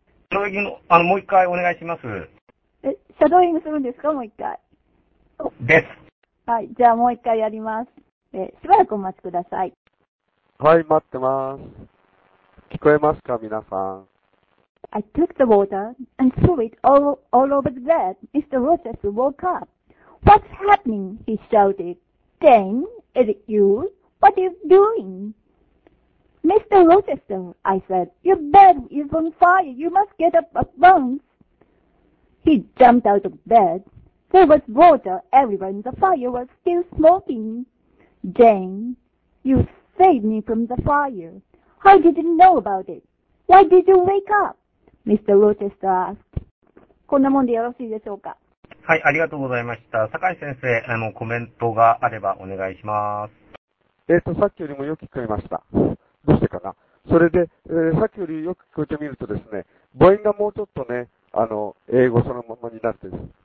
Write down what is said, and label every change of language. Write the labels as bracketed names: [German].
[Japanese] シャドーイングの、もう一回お願いします。シャドーイングするんですか？もう一回。です。はい、じゃあもう一回やります。しばらくお待ちください。はい、待ってます。聞こえますか、皆さん。 [English] I took the water and threw it all over the bed. Mr. Rochester woke up. What's happening? He shouted. Dane, is it you? What are you doing? Mr. Rochester, I said, your bed is on fire. You must get up at once. He jumped out of bed. There was water everywhere and the fire was still smoking. Jane, you saved me from the fire. How did you know about it? Why did you wake up? Mr. Rochester asked. [Japanese] こんなもんでよろしいでしょうか？はい、ありがとうございました。坂井先生、コメントがあればお願いします。さっきよりもよく聞こえました。どうしてかな。それで、さっきよりよく聞いてみるとですね、母音がもうちょっとね、英語そのままになってです。